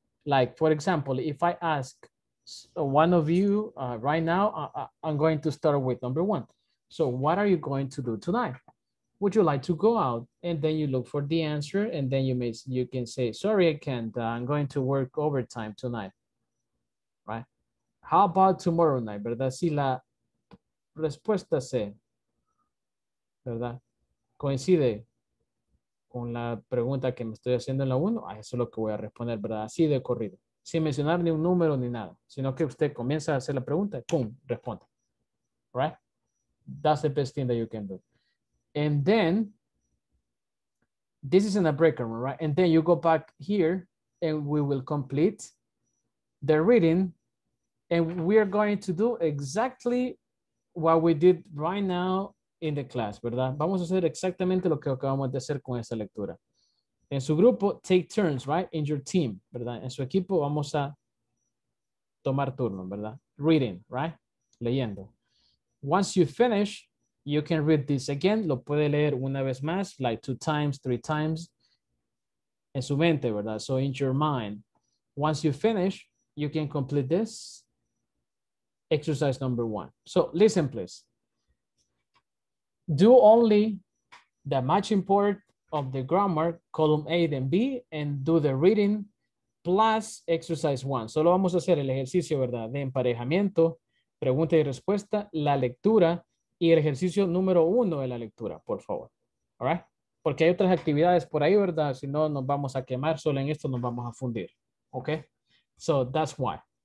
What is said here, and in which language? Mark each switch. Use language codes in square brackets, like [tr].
[en] Like, for example, if I ask one of you right now, I'm going to start with number one. So what are you going to do tonight? Would you like to go out? And then you look for the answer, and then you can say, sorry, I can't, I'm going to work overtime tonight, right? How about tomorrow night, verdad? [es] Si la respuesta se, verdad, coincide con la pregunta que me estoy haciendo en la uno, ah, eso es lo que voy a responder, verdad, así de corrido, sin mencionar ni un número ni nada, sino que usted comienza a hacer la pregunta, pum, responde, right? [en] That's the best thing that you can do. And then, this is in a break room, right? And then you go back here and we will complete the reading. And we are going to do exactly what we did right now in the class, ¿verdad? [es] Vamos a hacer exactamente lo que acabamos de hacer con esta lectura. En su grupo, [en] take turns, right? In your team, [es] ¿verdad? En su equipo vamos a tomar turno, ¿verdad? [en] Reading, right? Leyendo. Once you finish, you can read this again. [es] Lo puede leer una vez más, [en] like two times, three times. [es] En su mente, ¿verdad? [en] So in your mind. Once you finish, you can complete this. Exercise number one. So listen, please. Do only the matching part of the grammar, column A then B, and do the reading plus exercise one. [es] Solo vamos a hacer el ejercicio, ¿verdad? De emparejamiento, pregunta y respuesta, la lectura, y el ejercicio número uno de la lectura, por favor. [en] All right? [es] Porque hay otras actividades por ahí, ¿verdad? Si no, nos vamos a quemar. Solo en esto nos vamos a fundir. Okay? [en] So that's why.